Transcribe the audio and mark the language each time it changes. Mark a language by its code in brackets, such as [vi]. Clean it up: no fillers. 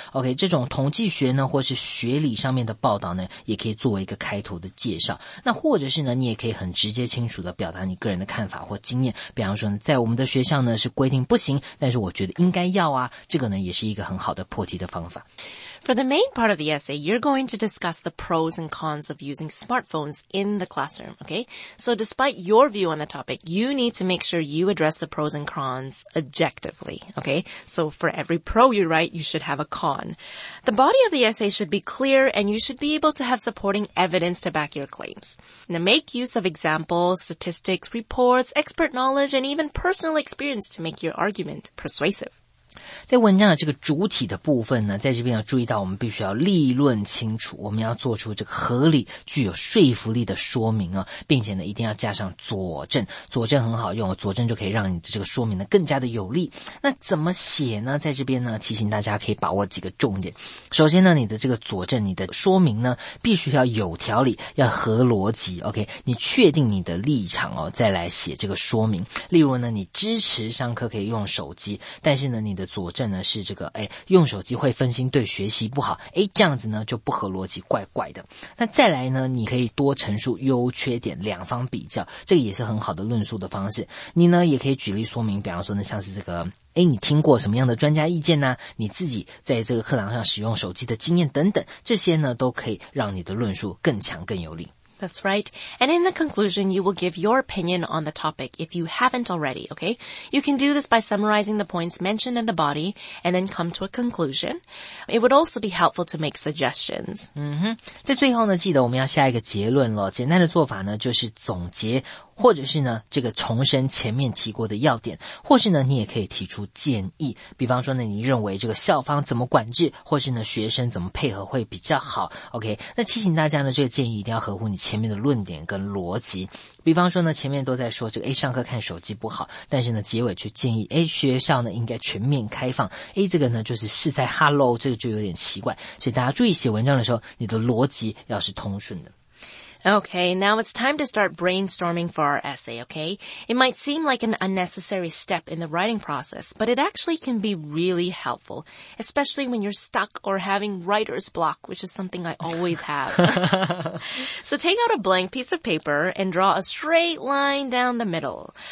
[zh] OK， 这种统计学呢或是学理上面的报道呢，也可以作为一个开头的介绍。那或者是呢，你也可以很直接清楚的表达你个人的看法或经验，比方说呢，在我们的学校呢是规定不行，但是我觉得应该要啊，这个呢也是一个很好的破题的方法。 [en] For the main part of the essay, you're going to discuss the pros and cons of using smartphones in the classroom, okay? So despite your view on the topic, you need to make sure you address the pros and cons objectively, okay? So for every pro you write, you should have a con. The body of the essay should be clear, and you should be able to have supporting evidence to back your claims. Now make use of examples, statistics, reports, expert knowledge, and even personal experience to make your argument persuasive. [zh] 在文章的这个主体的部分呢，在这边要注意到我们必须要立论清楚，我们要做出这个合理具有说服力的说明啊，并且呢一定要加上佐证，佐证很好用，佐证就可以让你的这个说明呢更加的有力。那怎么写呢？在这边呢提醒大家可以把握几个重点。首先呢，你的这个佐证，你的说明呢必须要有条理，要合逻辑， OK， 你确定你的立场哦，再来写这个说明。例如呢，你支持上课可以用手机，但是呢你的佐证呢是这个，用手机会分心，对学习不好，这样子呢就不合逻辑，怪怪的。那再来呢，你可以多陈述优缺点，两方比较，这个也是很好的论述的方式。你呢也可以举例说明，比方说呢，像是这个，你听过什么样的专家意见呢？你自己在这个课堂上使用手机的经验等等，这些呢都可以让你的论述更强更有力。 [en] That's right. And in the conclusion, you will give your opinion on the topic if you haven't already, okay? You can do this by summarizing the points mentioned in the body and then come to a conclusion. It would also be helpful to make suggestions. [zh] 在最后呢，记得我们要下一个结论了。简单的做法呢，就是总结或者是呢这个重申前面提过的要点，或是呢你也可以提出建议，比方说呢你认为这个校方怎么管制，或是呢学生怎么配合会比较好。 OK， 那提醒大家呢，这个建议一定要合乎你前面的论点跟逻辑。比方说呢前面都在说这个 A 上课看手机不好，但是呢结尾却建议 A 学校呢应该全面开放， A 这个呢就是是在 Hello， 这个就有点奇怪。所以大家注意写文章的时候，你的逻辑要是通顺的。 [en] Okay, now it's time to start brainstorming for our essay, okay? It might seem like an unnecessary step in the writing process, but it actually can be really helpful, especially when you're stuck or having writer's block, which is something I always have. So take out a blank piece of paper and draw a straight line down the middle.